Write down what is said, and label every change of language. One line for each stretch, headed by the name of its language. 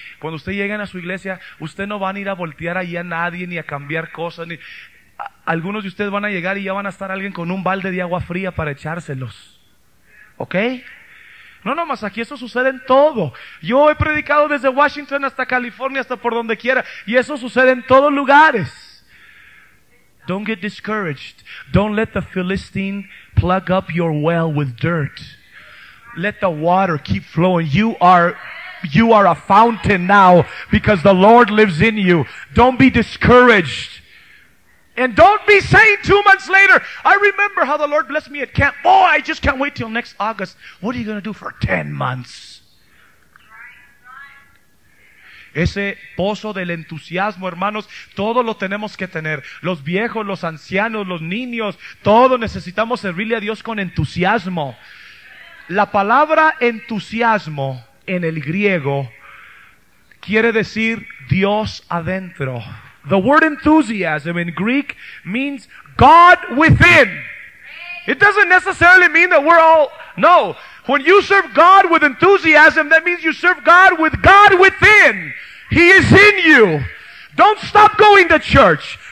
Spanish: Cuando usted llegan a su iglesia, usted no van a ir a voltear ahí a nadie ni a cambiar cosas. Algunos de ustedes van a llegar y ya van a estar alguien con un balde de agua fría para echárselos. Okay? No, no, más aquí eso sucede en todo. Yo he predicado desde Washington hasta California, hasta por donde quiera. Y eso sucede en todos lugares.
English: Don't get discouraged. Don't let the Philistine plug up your well with dirt. Let the water keep flowing. You are a fountain now because the Lord lives in you. Don't be discouraged. And don't be saying 2 months later, I remember how the Lord blessed me at camp. Boy, I just can't wait till next August. What are you going to do for 10 months?
Spanish: Ese pozo del entusiasmo, hermanos, todo lo tenemos que tener. Los viejos, los ancianos, los niños, todo necesitamos servirle a Dios con entusiasmo. La palabra entusiasmo en el griego quiere decir Dios adentro.
English: The word enthusiasm in Greek means God within. It doesn't necessarily mean that we're all... No. When you serve God with enthusiasm, that means you serve God with God within. He is in you. Don't stop going to church.